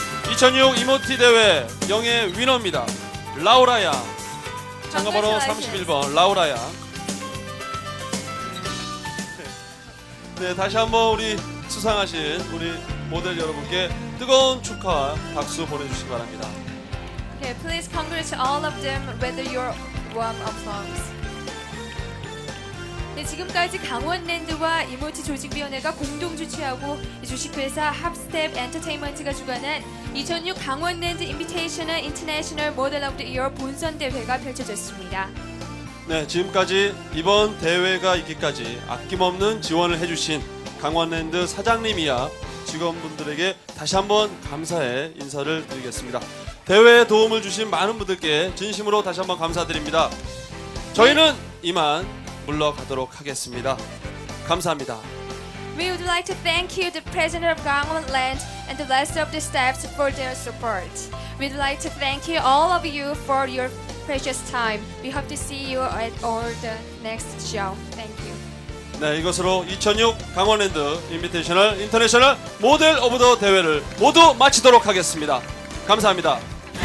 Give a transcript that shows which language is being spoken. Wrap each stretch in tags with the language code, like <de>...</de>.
<ko>2006 이모티 대회 영예 위너입니다. 라우라야. 참가 번호 31번 라우라야. 네, 다시 한번 우리 수상하신 우리 모델 여러분께 뜨거운 축하 박수 보내주시기 바랍니다.</ko> <en>Okay, please congratulate all of them with your warm applause.</en> <ko>네, 지금까지 강원랜드와 이모티 조직위원회가 공동 주최하고 주식회사 합스텝 엔터테인먼트가 주관한 2006 강원랜드 인비테이셔널 인터내셔널 모델 오브 더 이어 본선 대회가 펼쳐졌습니다. 네, 지금까지 이번 대회가 있기까지 아낌없는 지원을 해주신 강원랜드 사장님이야 직원분들에게 다시 한번 감사의 인사를 드리겠습니다. 대회에 도움을 주신 많은 분들께 진심으로 다시 한번 감사드립니다. 저희는 이만 물러가도록 하겠습니다. 감사합니다.</ko> <en>We would like to thank you, the president of Gangwon Land and the rest of the staff for their support. We'd like to thank you, all of you, for your precious time. We hope to see you at all the next show. Thank you.</en> <ko>네, 이것으로 2006 강원랜드 인비테이셔널 인터내셔널 모델 오브 더 대회를 모두 마치도록 하겠습니다. 감사합니다.</ko>